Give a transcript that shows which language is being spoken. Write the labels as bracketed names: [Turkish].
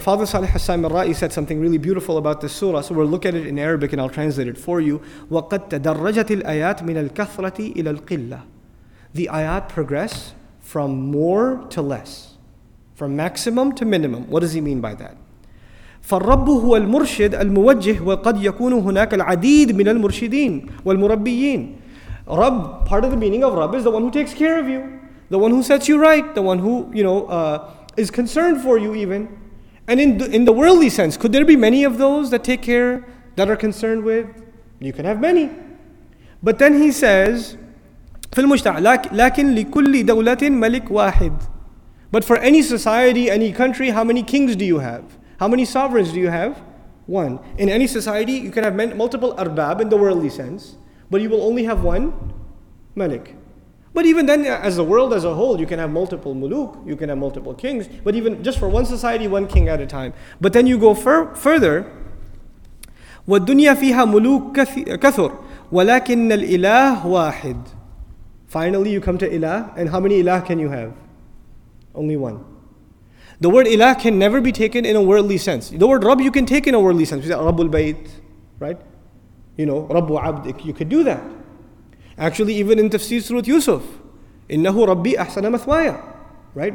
[English] Fadl Salih Hassan al-Ra'i said something really beautiful about this surah. So we'll look at it in Arabic and I'll translate it for you. [Arabic] وَقَدْ تَدَرَّجَتِ الْآيَاتِ مِنَ الْكَثْرَةِ إِلَى الْقِلَّةِ. [English] The ayat progress from more to less, from maximum to minimum. What does he mean by that? [Arabic] فالرب هو المرشد الموجه وقد يكون هناك العديد من المرشدين والمربيين. [English] Rabb, part of the meaning of Rabb is the one who takes care of you, the one who sets you right, the one who is concerned for you even. And in the worldly sense, could there be many of those that take care, that are concerned with? You can have many. But then he says, [Arabic] لكن لكل دولة ملك واحد. [English] But for any society, any country, how many kings do you have? How many sovereigns do you have? One. In any society, you can have multiple arbab in the worldly sense, but you will only have one malik. But even then, as the world as a whole, you can have multiple muluk, you can have multiple kings, but even just for one society, one king at a time. But then you go further. [Arabic] والدنيا فيها ملوك كثر ولكن الإله واحد. [English] Finally, you come to ilah, and how many ilah can you have? Only one. The word ilah can never be taken in a worldly sense. The word rabb you can take in a worldly sense. Rabbul bayt, right? Rabbu abd, you could do that. Actually, even in tafsir surat Yusuf, innahu rabbi ahsana mathwaya, right?